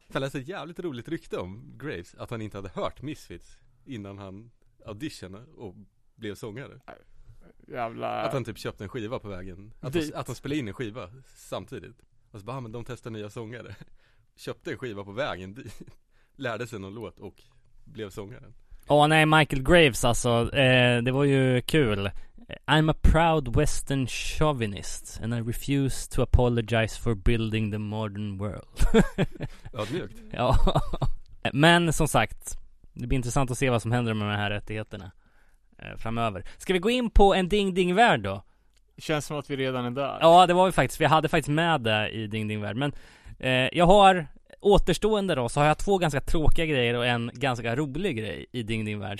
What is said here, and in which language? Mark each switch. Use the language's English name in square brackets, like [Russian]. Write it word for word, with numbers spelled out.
[Swedish] Jag läste ett jävligt roligt rykte om Graves, att han inte hade hört Misfits innan han auditionade och blev sångare. Jävla... Att han typ köpte en skiva på vägen. Att han, att han spelade in en skiva samtidigt. Och så bara, men de testar nya sångare. Köpte en skiva på vägen dit. Lärde sig någon låt och blev sångaren. Åh oh, nej, Michael Graves alltså. Eh, det var ju kul. [English] I'm a proud Western chauvinist and I refuse to apologize for building the modern world. [Swedish] Ödmjukt. Ja. Men som sagt, det blir intressant att se vad som händer med de här rättigheterna eh, framöver. Ska vi gå in på en ding-ding-värld då? Känns som att vi redan är där. Ja, det var vi faktiskt. Vi hade faktiskt med det i ding-ding-värld. Men eh, jag har... Återstående då, så har jag två ganska tråkiga grejer och en ganska rolig grej i Ding Ding Värld.